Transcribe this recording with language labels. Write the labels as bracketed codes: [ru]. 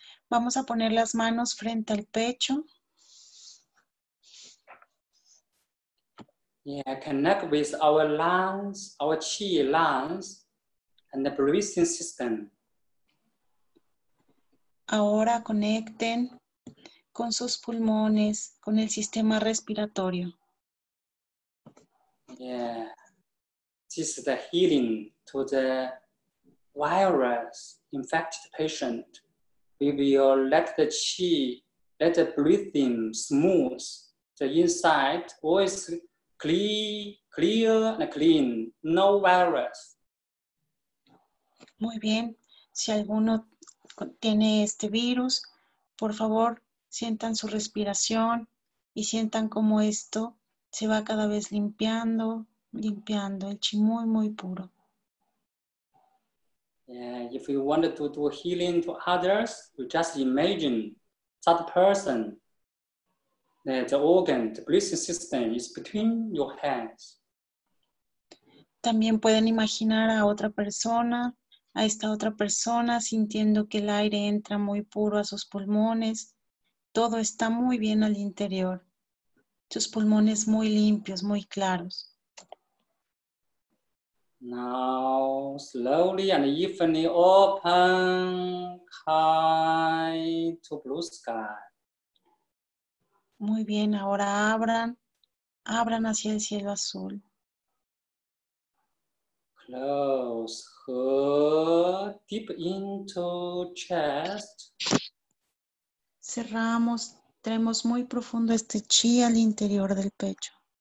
[es] Vamos a poner las manos frente al pecho. [en] Yeah, connect with our lungs, our chi lungs, and the breathing system. [es] Ahora conecten con sus pulmones, con el sistema respiratorio. [en] Yeah, this is the healing to the virus-infected patient. We will let the chi, let the breathing smooth. The inside always clear and clean. No virus. [es] Muy bien. Si alguno tiene este virus, por favor, sientan su respiración y sientan cómo esto se va cada vez limpiando el chi muy, muy puro. [en] Yeah, if we wanted to do healing to others, we just imagine that person, the organ, the breathing system is between your hands. [es] También pueden imaginar a otra persona, a esta otra persona, sintiendo que el aire entra muy puro a sus pulmones. Todo está muy bien al interior. Sus pulmones muy limpios, muy claros. [en] Now, slowly and evenly open, high to blue sky. [es] Muy bien, ahora abran hacia el cielo azul. [en] Close her deep into chest. [es] Cerramos, traemos muy profundo este chi al interior del pecho.